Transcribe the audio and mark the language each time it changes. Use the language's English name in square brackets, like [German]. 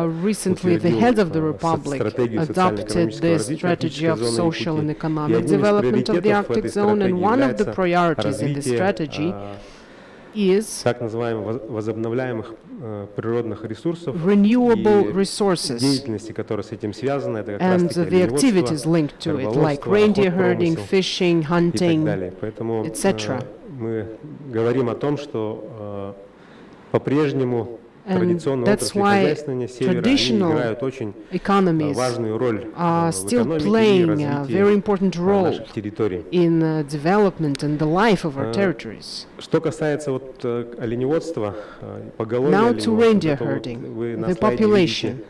[English] Recently, the head of the republic adopted the strategy of social and economic development of the Arctic zone, and one of the priorities in the strategy is [Russian] так называемых возобновляемых природных ресурсов [English] renewable resources, [Russian] деятельности, которые с этим связаны, это как [English] and the activities linked to it, like reindeer herding, fishing, hunting, etc. [Russian] Мы говорим о том, что по-прежнему [English] And that's why traditional economies are still playing a very important role in the development and the life of our territories. Now to reindeer herding, the population.